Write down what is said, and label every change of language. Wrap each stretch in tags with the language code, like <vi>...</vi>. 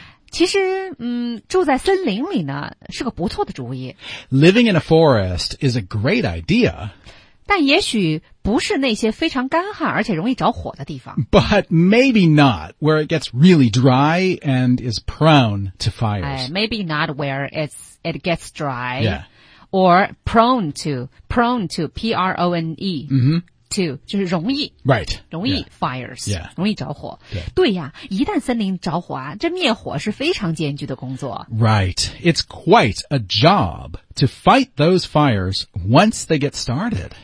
<zh>其实住在森林里呢是个不错的主意</zh> <en>Living in a forest is a great idea</en> <zh>但也许不是那些非常干旱而且容易着火的地方</zh> <en>But maybe not where it gets really dry and is prone to fires、哎、Maybe not where it gets dry、 yeah. or prone to P-R-O-N-E、 mm-hmm.</en> <zh>To, 就是容易</zh> <en>right,</en> <zh>容易</zh> <en>yeah, fires, yeah,</en> <zh>容易着火</zh> <en>yeah.</en> <zh>对呀一旦森林着火啊这灭火是非常艰巨的工作</zh> <en>Right, it's quite a job to fight those fires once they get started</en>